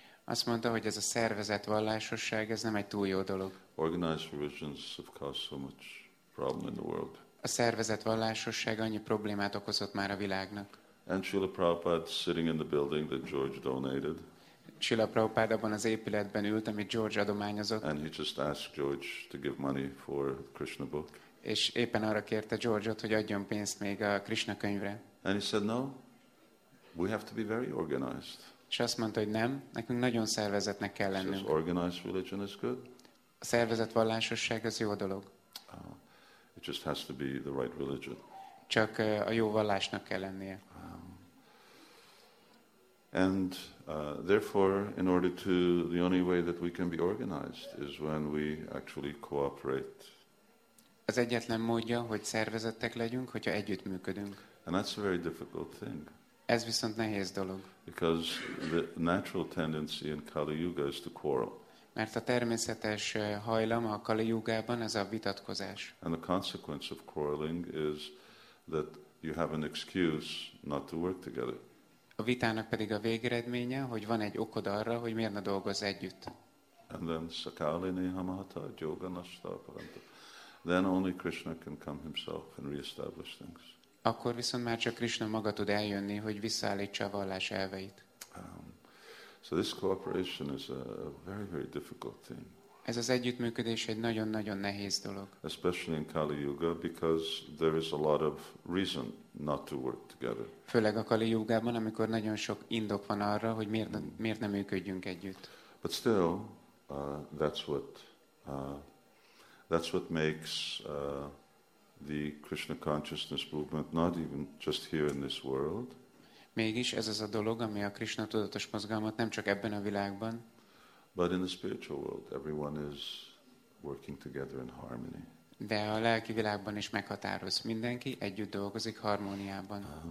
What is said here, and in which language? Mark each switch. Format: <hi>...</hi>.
<hu>Azt mondta, hogy ez a szervezett vallásosság, ez nem egy túl jó dolog.</hu> <en>Organized religions have caused so much problem in the world.</en> <hu>A szervezett vallásosság annyi problémát okozott már a világnak.</hu> <en>And Srila Prabhupada sitting in the building that George donated.</en> <hu>Srila Prabhupada abban az épületben ült, amit George adományozott.</hu> <en>And he just asked George to give money for Krishna book.</en> <hu>És éppen arra kérte George-ot, hogy adjon pénzt még a Krishna könyvre.</hu> <en>And he said, no, we have to be very organized.</en> <hu>És azt mondta, hogy nem, nekünk nagyon szervezetnek kell lennünk.</hu> <en>Says, organized religion is good.</en> <hu>A szervezett vallásosság az jó dolog.</hu> <en>It just has to be the right religion.</en> <hu>Csak a jó vallásnak kell lennie.</hu> <en>And therefore, in order to, the only way that we can be organized is when we actually cooperate.</en> <hu>Az egyetlen módja, hogy szervezettek legyünk, hogyha együttműködünk.</hu> <en>And that's a very difficult thing.</en> <hu>Ez viszont nehéz dolog.</hu> <en>Because the natural tendency in Kali Yuga is to quarrel.</en> <hu>Mert a természetes hajlam a Kali Yugában ez a vitatkozás.</hu> <en>And the consequence of quarreling is that you have an excuse not to work together.</en> <hu>A vitának pedig a végeredménye, hogy van egy okod arra, hogy miért ne dolgozz együtt.</hu> <en>And then Sakalini Hamahata, Joganashta, Paranta. Then only Krishna can come himself and reestablish things.</en> <hu>Akkor viszont már csak Krishna maga tud eljönni, hogy visszaállítsa a vallás elveit.</hu> <en>So this cooperation is a very, very difficult thing.</en> <hu>Ez az együttműködés egy nagyon-nagyon nehéz dolog.</hu> <en>Especially in Kali Yuga, because there is a lot of reason not to work together.</en> <hu>Főleg a Kali Yugában, amikor nagyon sok indok van arra, hogy miért nem működjünk együtt.</hu> <en>But still, that's what makes the Krishna consciousness movement not even just here in this world.</en> <hu>Mégis ez az a dolog, ami a Krishna tudatos mozgalmat nem csak ebben a világban.</hu> <en>But in the spiritual world, everyone is working together in harmony.</en> <hu>De a lelki világban is meghatároz. Mindenki együtt dolgozik harmóniában.</hu>